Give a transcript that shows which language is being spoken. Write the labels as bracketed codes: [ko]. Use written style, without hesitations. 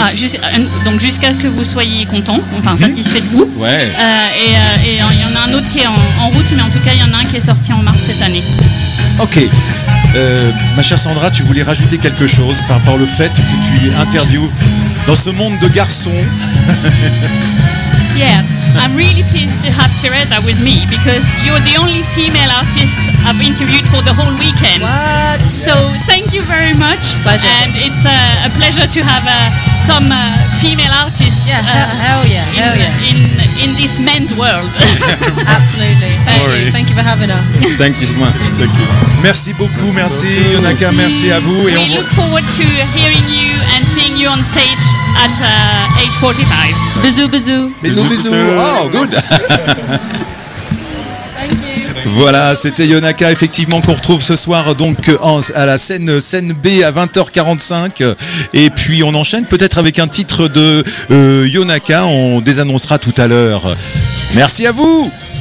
[fr] Ah, donc jusqu'à ce que vous soyez content, enfin satisfait de vous. Ouais. Et il y en a un autre qui est en route, mais en tout cas il y en a un qui est sorti en mars cette année. [en] Okay. [fr] Ma chère Sandra, tu voulais rajouter quelque chose par rapport au fait que tu interviews dans ce monde de garçons. [en] Yeah, I'm really pleased to have Teresa with me because you're the only female artist I've interviewed for the whole weekend. What? So thank you very much. Pleasure. And it's a pleasure to have some female artists. Yeah, hell yeah, in this men's world. Absolutely. Sorry. Thank you for having us. Thank you so much. Thank you. [fr] Merci beaucoup. Merci Yonaka. Merci à vous. [en] Et we look forward to hearing you and seeing you on stage at 8:45. [fr] Bisous. [en] Oh, good. [fr] Voilà, c'était Yonaka, effectivement, qu'on retrouve ce soir donc à la scène B à 20h45. Et puis on enchaîne peut-être avec un titre de Yonaka, on désannoncera tout à l'heure. Merci à vous.